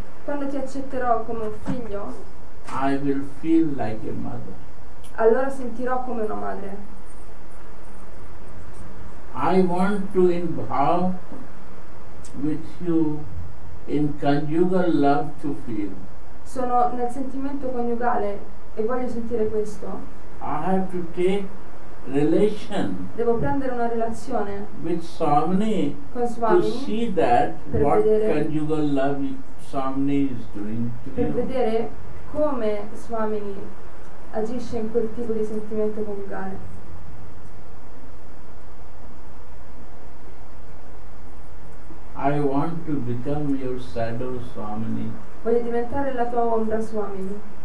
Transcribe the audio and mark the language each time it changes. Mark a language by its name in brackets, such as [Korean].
[Italian] Quando ti accetterò come un figlio. [English] I will feel like a mother. [Italian] Allora sentirò come una madre. [English] I want to in bhava with you in conjugal love to feel. [Italian] Sono nel sentimento coniugale e voglio sentire questo. [English] I have to take relation. [Italian] Devo prendere una relazione [English] with Swamini [Italian] con Swami [English] to see that what conjugal love Swamini is doing to [Italian] per [English] you. [Italian] Vedere come Swamini agisce in quel tipo di sentimento coniugale. [English] I want to become your shadow Swamini. [Italian] Voglio diventare la tua ombra Swamini.